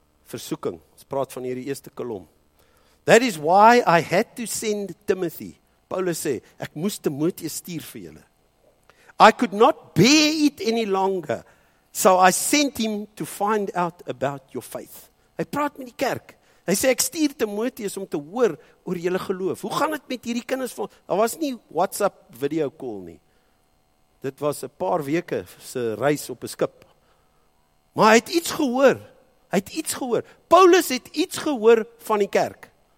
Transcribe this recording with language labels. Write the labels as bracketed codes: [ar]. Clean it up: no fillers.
[af] Versoeking, ons praat van hierdie eerste kolom. [en] That is why I had to send Timothy. [af] Paulus sê, ek moes Timoteus stuur vir julle. [en] I could not bear it any longer. So I sent him to find out about your faith. [af] Hy praat met die kerk. Hy sê, ek stuur Timoteus om te hoor oor julle geloof. Hoe gaan het met hierdie kinders van? Daar was nie WhatsApp video call nie. Dit was 'n paar weke se reis op 'n skip. Maar hy het iets gehoor. Hy het iets gehoor. Paulus het iets gehoor van die kerk.